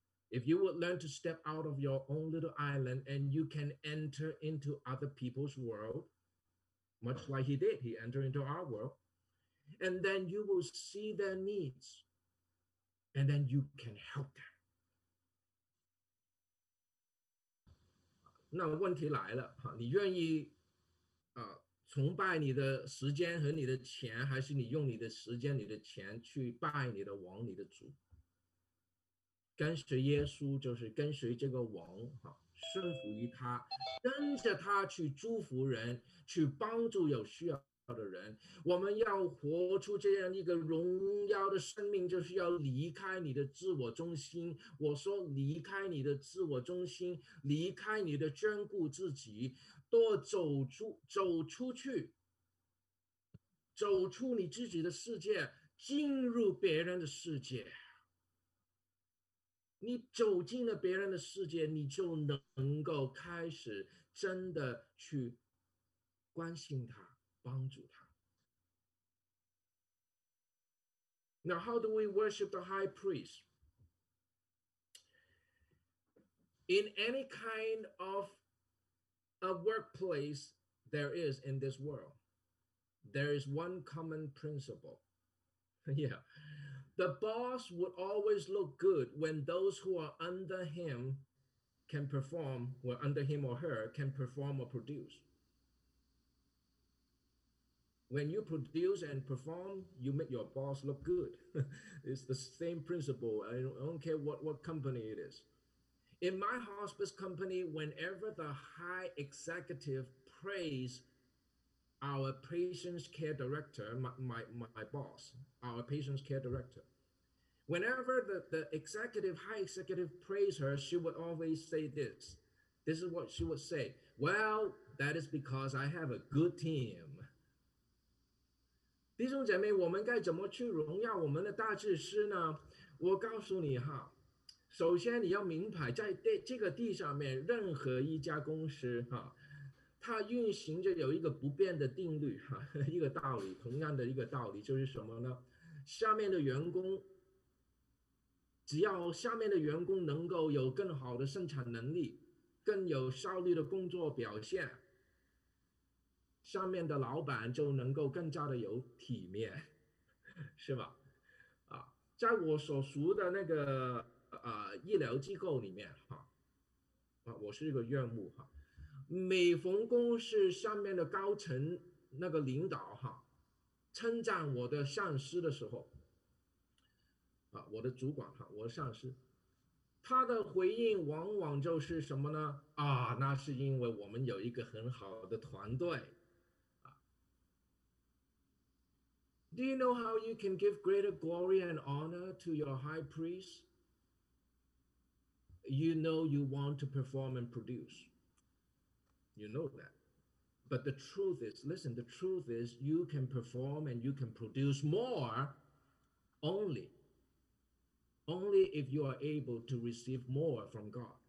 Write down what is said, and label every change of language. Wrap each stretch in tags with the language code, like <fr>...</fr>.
<en>If you would learn to step out of your own little island and you can enter into other people's world, much like he did, he entered into our world, and then you will see their needs, and then you can help them.</en> <zh>那问题来了，你愿意崇拜你的时间和你的钱，还是你用你的时间你的钱去拜你的王你的主？跟随耶稣就是跟随这个王，顺服于他，跟着他去祝福人，去帮助有需要的人。我们要活出这样一个荣耀的生命，就是要离开你的自我中心。我说离开你的自我中心，离开你的眷顾自己，多走出去，走出你自己的世界，进入别人的世界。你走进了别人的世界，你就能够开始真的去关心他，帮助他。</zh> <en>Now, how do we worship the high priest? in any kind of a workplace there is in this world, there is one common principle. The boss would always look good when those who are under him can perform, or under him or her can perform or produce. When you produce and perform, you make your boss look good. It's the same principle. I don't care what company it is. In my hospice company, whenever the high executive praise our patient's care director, my boss, our patient's care director, whenever the executive, high executive praise her, she would always say this. This is what she would say. Well, that is because I have a good team.</en> <zh>弟兄姐妹，我们该怎么去荣耀我们的大祭司呢？我告诉你哈，首先你要明白，在这个地上面，任何一家公司哈，它运行着有一个不变的定律哈，一个道理，同样的一个道理就是什么呢？下面的员工，只要下面的员工能够有更好的生产能力，更有效率的工作表现。上面的老板就能够更加的有体面，是吧？在我所熟的那个医疗机构里面我是一个院务每逢公司上面的高层那个领导称赞我的上司的时候我的主管我的上司，他的回应往往就是什么呢？那是因为我们有一个很好的团队。</zh> <en>Do you know how you can give greater glory and honor to your high priest? You know you want to perform and produce. You know that. But the truth is, listen, the truth is you can perform and you can produce more only if you are able to receive more from God.</en>